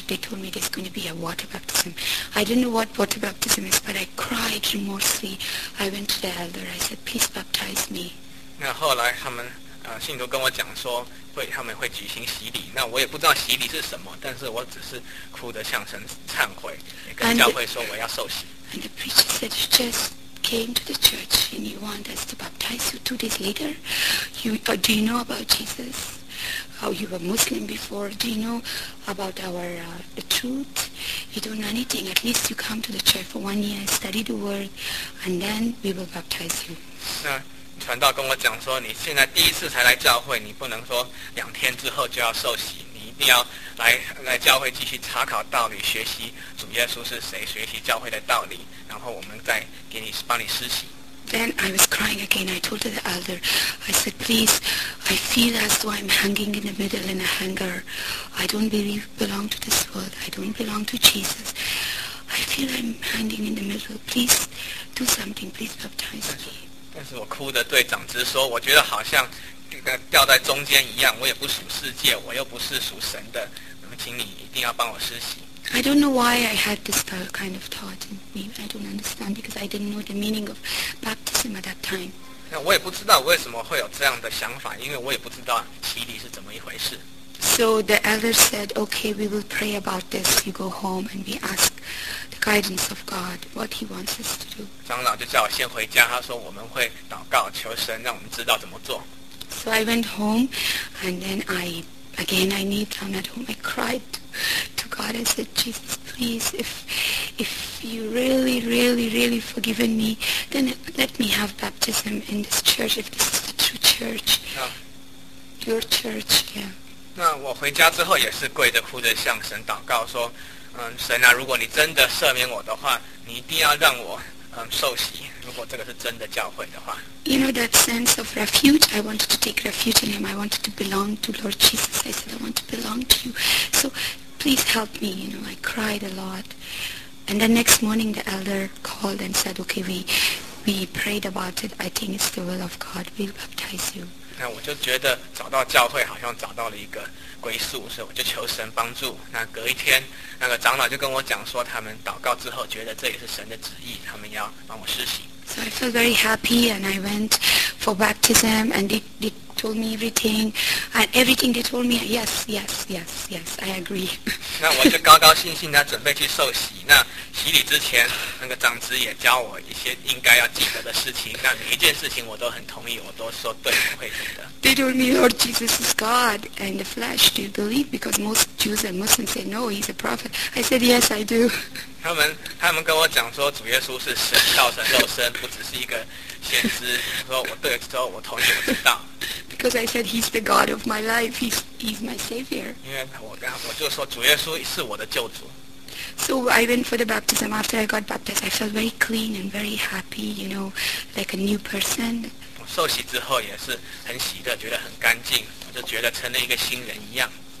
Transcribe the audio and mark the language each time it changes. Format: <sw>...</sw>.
<en>They told me there's going to be a water baptism. I didn't know what water baptism is, but I cried remorsefully. I went to the elder. I said, "Please baptize me."</en> <zh>那后来他们信徒跟我讲说会他们会举行洗礼。那我也不知道洗礼是什么，但是我只是哭得向神忏悔，也跟教会说我要受洗。</zh> <en>And the preacher said, "You just came to the church and you want us to baptize you 2 days later. Do you know about Jesus?" How you were Muslim before? Do you know about the truth? You don't know anything. At least you come to the church for 1 year, study the word, and then we will baptize you.</en> <zh>那传道跟我讲说，你现在第一次才来教会，你不能说两天之后就要受洗，你一定要来教会继续查考道理，学习主耶稣是谁，学习教会的道理，然后我们再给你帮你施洗。</zh> <en>Then I was crying again. I told the elder, I said, "Please, I feel as though I'm hanging in the middle in a hanger. I don't believe belong to this world. I don't belong to Jesus. I feel I'm hanging in the middle. Please do something. Please baptize me."</en> <zh>但是我哭着对长子说，我觉得好像掉在中间一样。我也不属世界，我又不是属神的。那么，请你一定要帮我施洗。</zh> <en>I don't know why I had this kind of thought in me. I don't understand because I didn't know the meaning of baptism at that time.</en> <zh>那我也不知道为什么会有这样的想法，因为我也不知道洗礼是怎么一回事。</zh> <en>So the elder said, "Okay, we will pray about this. You go home and we ask the guidance of God what He wants us to do."</en> <zh>长老就叫我先回家，他说我们会祷告求神，让我们知道怎么做。</zh> <en>So I went home, and then I kneel down at home. I cried to God. I said, "Jesus, please, if you really, really, really forgiven me, then let me have baptism in this church. If this is the true church, your church, yeah."</en> <zh>那我回家之后也是跪着哭着向神祷告说，神啊，如果你真的赦免我的话，你一定要让我受洗。如果这个是真的教会的话。</zh> <en>You know that sense of refuge? I wanted to take refuge in Him. I wanted to belong to Lord Jesus. I said, "I want to belong to you. So please help me." You know, I cried a lot. And then next morning, the elder called and said, "Okay, we prayed about it. I think it's the will of God. We'll baptize you."</en> <zh>那我就觉得找到教会好像找到了一个归宿，所以我就求神帮助。那隔一天，那个长老就跟我讲说，他们祷告之后觉得这也是神的旨意，他们要帮我施洗。</zh> <en>So I felt very happy, and I went for baptism, and they told me everything, and everything they told me, yes, yes, yes, yes, I agree.</en> <zh>那我就高高兴兴地准备去受洗。那洗礼之前，那个长子也教我一些应该要记得的事情。那每一件事情我都很同意，我都说对，我会记得。</zh> <en>They told me, "Lord Jesus is God in the flesh. Do you believe?" Because most Jews and Muslims say, "No, He's a prophet." I said, "Yes, I do."</en> <zh>他们跟我讲说，主耶稣是神道成肉身，不只是一个先知。说我对，说我同意，我知道。</zh> <en>Because I said, "He's the God of my life. He's my savior."</en> <zh>因为我就说主耶稣是我的救主。</zh> <en>So I went for the baptism. After I got baptized, I felt very clean and very happy. You know, like a new person.</en> <zh>我受洗之后也是很喜乐，觉得很干净，我就觉得成了一个新人一样。</zh>